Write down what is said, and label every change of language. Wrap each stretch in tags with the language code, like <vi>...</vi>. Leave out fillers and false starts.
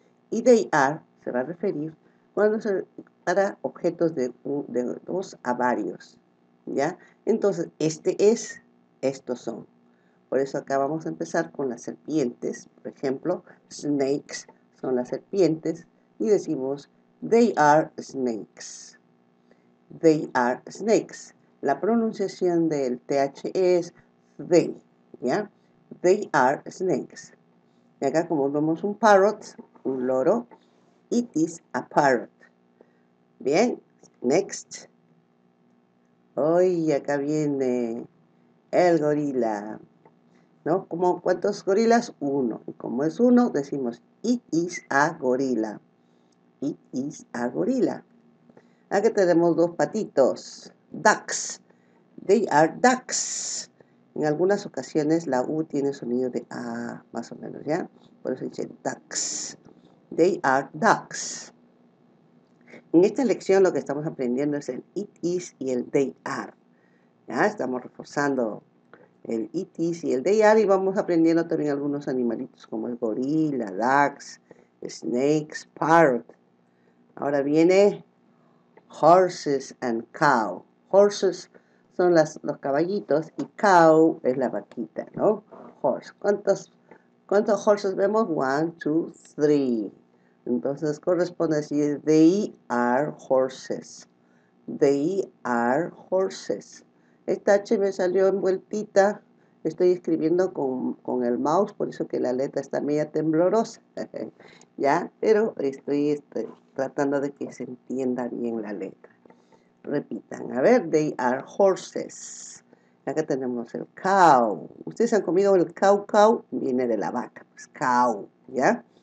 <es>Y they are se va a referir para objetos de dos a varios. ¿Ya? Entonces, este es, estos son. Por eso acá vamos a empezar con las serpientes. Por ejemplo, snakes son las serpientes.</es> <en>Y decimos, they are snakes. They are snakes.</en> <es>La pronunciación del TH es they, ¿ya?</es> <en>They are snakes.</en> <es>Y acá como vemos un parrot, un loro,</es> <en>it is a parrot.</en> <es>Bien, next. Hoy acá viene el gorila, ¿no? ¿Cómo, cuántos gorilas? Uno. Y como es uno, decimos</es> <en>it is a gorila. It is a gorila.</en> <es>Acá tenemos dos patitos, ducks.</es> <en>They are ducks.</en> <es>En algunas ocasiones la U tiene sonido de A, más o menos, ¿ya? Por eso dice ducks.</es> <en>They are ducks.</en> <es>En esta lección lo que estamos aprendiendo es el it is y el they are. ¿Ya? Estamos reforzando el it is y el they are y vamos aprendiendo también algunos animalitos como el gorila, ducks, snakes, parrot. Ahora viene horses and cow. Horses son los caballitos y cow es la vaquita, ¿no? Horse. ¿Cuántos horses vemos? 1, 2, 3. Entonces corresponde decir</es> <en>they are horses. They are horses.</en> <es>Esta H me salió envueltita. Estoy escribiendo con el mouse, por eso que la letra está media temblorosa. ¿Ya? Pero estoy tratando de que se entienda bien la letra. Repitan, a ver,</es> <en>they are horses.</en> <es>Acá tenemos el cow. ¿Ustedes han comido el cow cow? Viene de la vaca, pues cow, ¿ya?</es>